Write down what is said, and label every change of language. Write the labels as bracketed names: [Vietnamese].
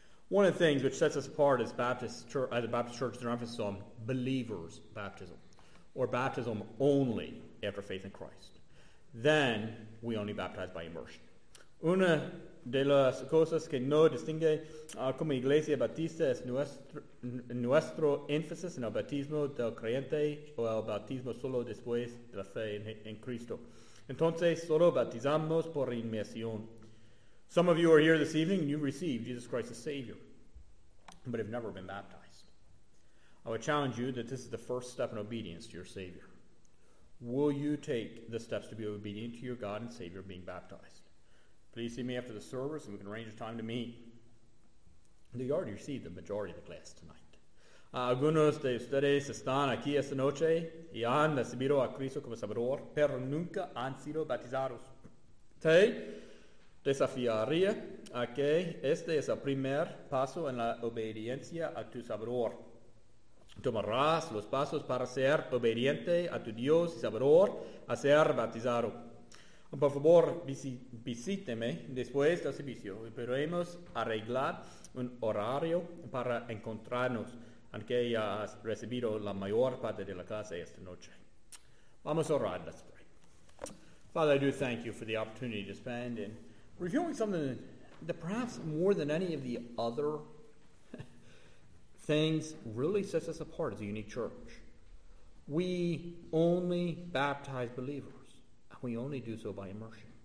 [English] One of the things which sets us apart as a Baptist church in emphasis on believers baptism, or baptism only after faith in Christ, then we only baptize by immersion. [Spanish] Una de las cosas que no distingue como iglesia bautista es nuestro énfasis en el bautismo del creyente o el bautismo solo después de la fe en Cristo. Entonces, solo bautizamos por inmersión. [English] Some of you are here this evening and you've received Jesus Christ as Savior, but have never been baptized. I would challenge you that this is the first step in obedience to your Savior. Will you take the steps to be obedient to your God and Savior being baptized? Please see me after the service and we can arrange a time to meet. You already received the majority of the class tonight. [Spanish] Algunos de ustedes están aquí esta noche y han recibido a Cristo como Salvador, pero nunca han sido bautizados. Te desafiaría a que este es el primer paso en la obediencia a tu Salvador. Tomarás los pasos para ser obediente a tu Dios y Salvador a ser bautizado. Por favor, visíteme después del servicio y podremos arreglar un horario para encontrarnos, aunque ya has recibido la mayor parte de la clase esta noche. Vamos a orar. [English] Let's pray. Father, I do thank you for the opportunity to spend in reviewing something that perhaps more than any of the other things really sets us apart as a unique church. We only baptize believers. We only do so by immersion.